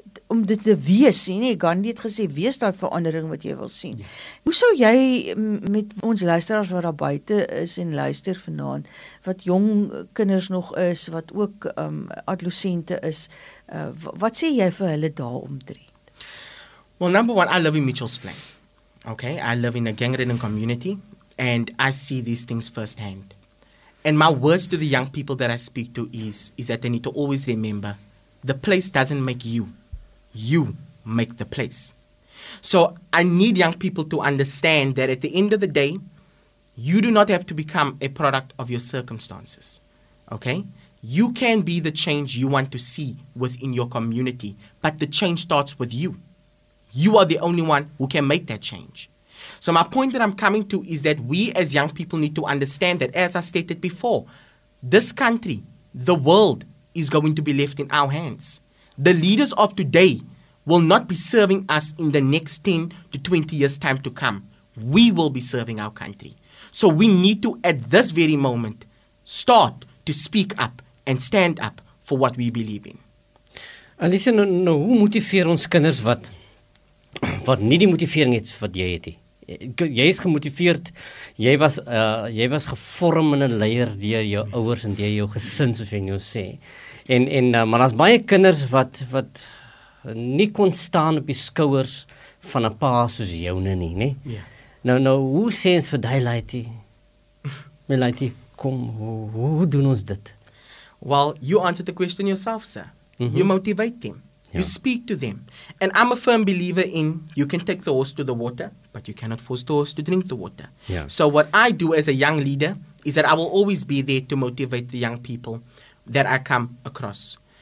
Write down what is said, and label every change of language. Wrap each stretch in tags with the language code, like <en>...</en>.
<af>om dit te wees, nie, Gandhi het gesê, wees die verandering wat jy wil sien. Ja. Hoe sou jy met ons luisteraars wat daar buiten is en luister vanaand, wat jong kinders nog is, wat ook adolescente is, wat sê jy vir hulle daar omtrent?</af> <en>Well, number one, I live in Mitchell's Plain. Okay, I live in a gang-ridden community and I see these things firsthand. And my words to the young people that I speak to is that they need to always remember the place doesn't make you. You make the place. So I need young people to understand that at the end of the day, you do not have to become a product of your circumstances. Okay? You can be the change you want to see within your community, but the change starts with you. You are the only one who can make that change. So my point that I'm coming to is that we as young people need to understand that, as I stated before, this country, the world, is going to be left in our hands. The leaders of today will not be serving us in the next 10 to 20 years time to come. We will be serving our country. So we need to, at this very moment, start to speak up and stand up for what we believe in. And listen, now,</en> <af>hoe motiveer ons kinders wat nie die motivering het wat jy het? Jy is gemotiveerd, jy was gevorm in 'n leier deur jou ouers en deur jou gesin, soos jy nou sê. Maar daar's baie kinders wat nie kon staan op die skouers van 'n pa soos joune nie, nê? Ja. Nou, hoe sê ons vir die laaitie? My laaitie, kom, hoe doen ons dit?</af> <en>Well, you answer the question yourself, sir. Mm-hmm. You motivate them. You speak to them. And I'm a firm believer in you can take the horse to the water, but you cannot force the horse to drink the water. Yeah. So what I do as a young leader is that I will always be there to motivate the young people that I come across.</en>